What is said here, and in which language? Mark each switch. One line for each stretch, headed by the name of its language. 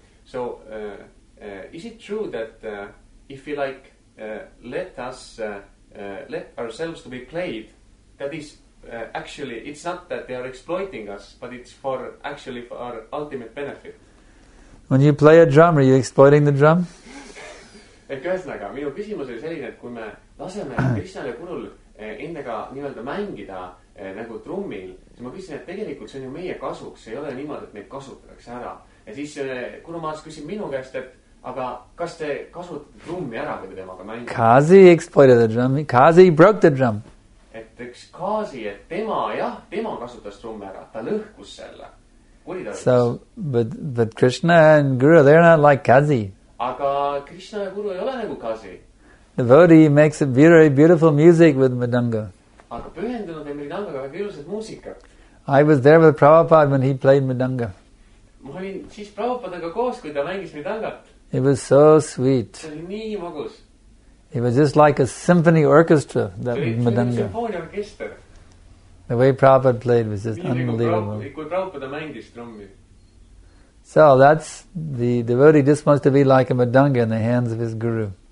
English: So, is it true that if we like let ourselves to be played, that is actually, it's not that they are exploiting us, but it's for actually for our ultimate benefit. When you play a drum, are you exploiting the drum?
Estonian: Ühesõnaga, minu küsimus oli selline, et kui me laseme Krishnale kulul endaga nii-öelda mängida nagu trummil, siis ma küsin, et tegelikult see on ju meie kasuks, see ei ole niimoodi, et meid kasutatakse ära. Ja siis Kurumaas küsin minu käest, et aga kas te kasutate trummi ära või temaga mängida?
English: Kazi exploited the drum. Kazi broke the drum.
Estonian: Et üks Kazi, et tema, jah, tema kasutas trummi ära. Ta lõhkus selle.
English: So, but Krishna and Guru, they're not like Kazi.
Estonian: Aga Krishna ja Guru ei ole nagu Kazi.
English: Devotee makes a very beautiful music with Madanga.
Estonian: Aga pühendunud ja Madanga väga ilusad muusikat.
English: I was there with Prabhupada when he played Madanga.
Estonian: Ma olin siis Prabhupadaga koos, kui ta mängis Madangat.
English: It was so sweet. It was just like a symphony orchestra, that madanga. The way Prabhupada played was just unbelievable.
Estonian: Kui Prabhupada mängis trummi.
English: So that's the devotee just wants to be like a mridanga in the hands of his guru.